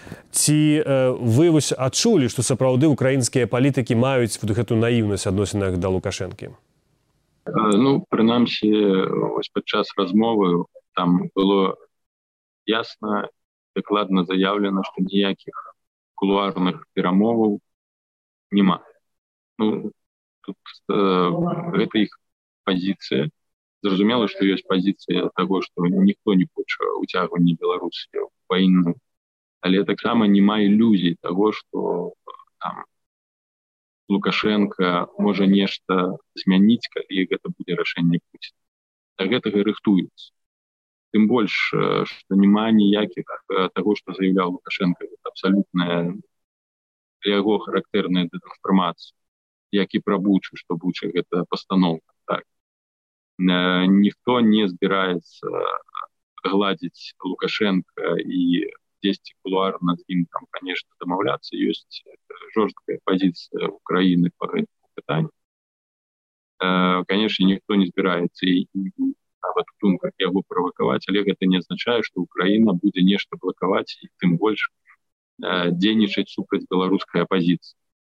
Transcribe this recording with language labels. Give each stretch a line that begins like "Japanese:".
Belarusian: Ці вы вось адчулі, што сапраўды украінскія палітыкі маюць вот гэту наіўнасць адносінах да Лукашэнкі? Ну, прынамсі, вось падчас размовы там было ясна, дакладна заяўлена, што ніякіх кулуарных перамоваў нема. Ну, тут гэта іх позиция. Зразумела,
Russian: что есть позиция того, что никто не хочет утягивать Беларусь в войну.
Belarusian: Але так само нема
Russian: иллюзий того, что там Лукашенко может нечто изменить, когда это будет решение Путина. Так это и рыхтуется. Тем больше, что нема никаких того, что заявлял Лукашенко. Это абсолютно для его характерная дезинформация. Як и про Бучу, что Буча это постановка. Так.
Belarusian: Ніхто не збіраецца гладзіць Лукашэнка і дзесьці кулуарна з ім там, канешне, дамаўляцца. Ёсць жорсткая пазіцыя Украіны па гэтым пытанні. Канешне, ніхто не збіраецца і нават у думках яго правакаваць, але гэта не азначае, што Украіна будзе нешта блакаваць і тым больш дзейнічаць супраць беларускай апазіцыі.